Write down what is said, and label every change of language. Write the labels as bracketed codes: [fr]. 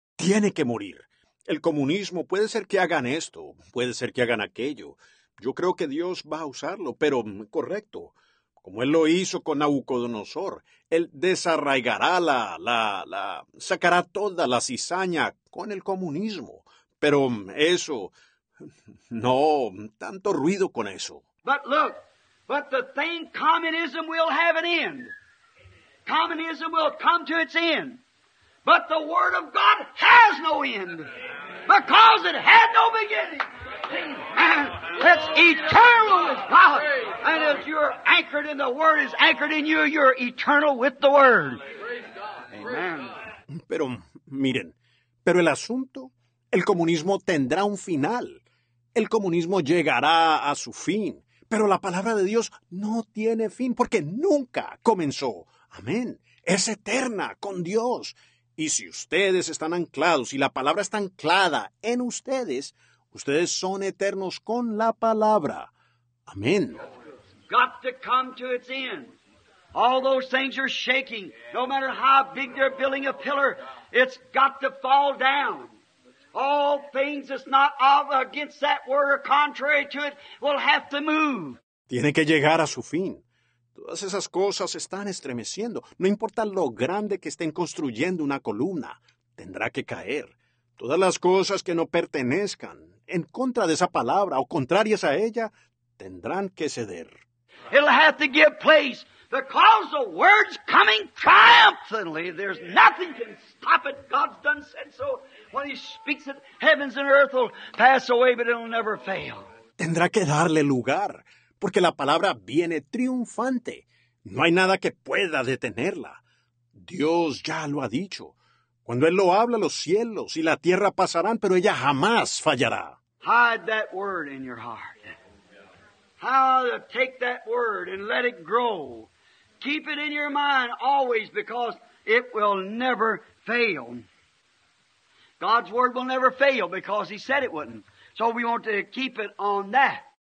[es] Tiene que morir. El comunismo, puede ser que hagan esto, puede ser que hagan aquello. Yo creo que Dios va a usarlo, pero correcto. Como él lo hizo con Nabucodonosor, él desarraigará la sacará toda la cizaña con el comunismo. Pero eso, no, tanto ruido con eso. [en] But look, but the thing communism will have an end. Communism will come to its end. But the Word of God has no end. Because it had no beginning. And it's eternal with God. And if you're anchored in the Word, is anchored in you, you're eternal with the Word. Amen. [es] Pero, miren, pero el asunto, el comunismo tendrá un final. El comunismo llegará a su fin. Pero la palabra de Dios no tiene fin, porque nunca comenzó. Amén. Es eterna con Dios. Y si ustedes están anclados y la palabra está anclada en ustedes, ustedes son eternos con la palabra. Amén. [en] Got to come to its end. All those things are shaking. No matter how big they're building a pillar, it's got to fall down. All things that's not of, against that word or contrary to it will have to move. [es] Tiene que llegar a su fin. Todas esas cosas están estremeciendo. No importa lo grande que estén construyendo una columna, tendrá que caer. Todas las cosas que no pertenezcan en contra de esa palabra o contrarias a ella, tendrán que ceder. [en] It'll have to give place because the word's coming triumphantly. There's nothing can stop it. God's done said so. When he speaks it, heavens and earth will pass away, but it'll never fail. [es] Tendrá que darle lugar. Porque la palabra viene triunfante. No hay nada que pueda detenerla. Dios ya lo ha dicho. Cuando Él lo habla, los cielos y la tierra pasarán, pero ella jamás fallará. [en] Hide that word in your heart. How to take that word and let it grow. Keep it in your mind always because it will never fail. God's word will never fail because He said it wouldn't. So we want to keep it on that.